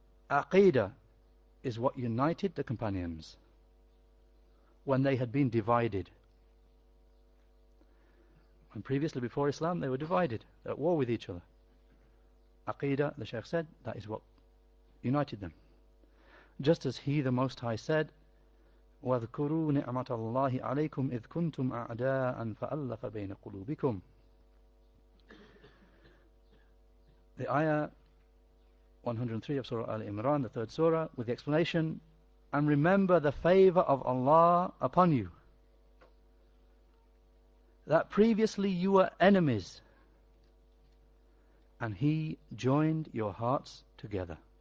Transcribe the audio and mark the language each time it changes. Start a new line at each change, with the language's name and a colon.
English: Aqidah is what united the companions when they had been divided. And previously, before Islam, they were divided, they were at war with each other. Aqidah, the Shaykh said, that is what united them. Just as He, the Most High, said,
Arabic: وَذْكُرُوا نِعْمَةَ اللَّهِ عَلَيْكُمْ إِذْ كُنْتُمْ أَعْدَاءً فَأَلَّفَ بَيْنَ قُلُوبِكُمْ.
English: The ayah 103 of Surah Al-Imran, the third surah, with the explanation, and remember the favor of Allah upon you, that previously you were enemies, and He joined your hearts together.